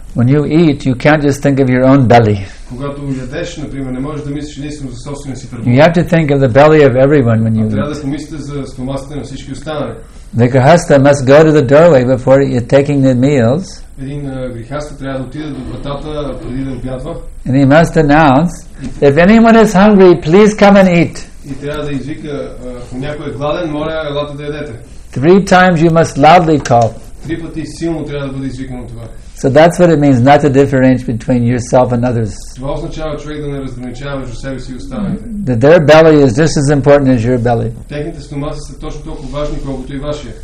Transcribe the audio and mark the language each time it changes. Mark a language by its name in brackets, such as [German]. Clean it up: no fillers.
[English] When you eat, you can't just think of your own belly. You have to think of the belly of everyone when you eat. The grihastha must go to the doorway before you're taking the meals. And he must announce, if anyone is hungry, please come and eat. [Bulgarian] И трябва да извика, ако някой е гладен, моля, елате да ядете. [English] Three times you must loudly call. [Bulgarian] Три пъти силно трябва да бъде извикано това. [English] So that's what it means, not to differentiate between yourself and others. [Bulgarian] Това означава човек да не разграничава между себе си и останалите. [English] That their belly is just as important as your belly. [Bulgarian] Техните стомаси са точно толкова важни, колкото и вашия.